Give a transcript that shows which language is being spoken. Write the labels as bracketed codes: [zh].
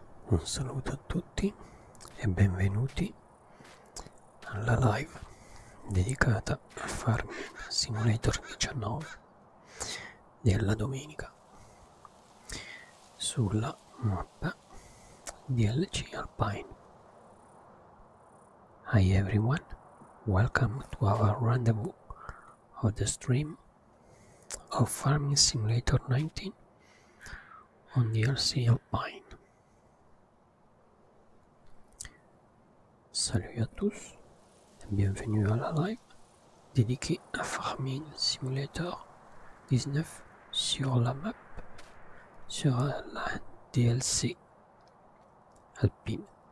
[it] Un saluto a tutti e benvenuti alla live dedicata a Farm Simulator 19 della domenica sulla mappa DLC Alpine. [en] Hi everyone, welcome to our rendezvous of the stream of Farming Simulator 19 on DLC Alpine. [fr] Salut à tous et bienvenue à la live dédiquée à Farming Simulator 19 sur la map sur la DLC Alpine.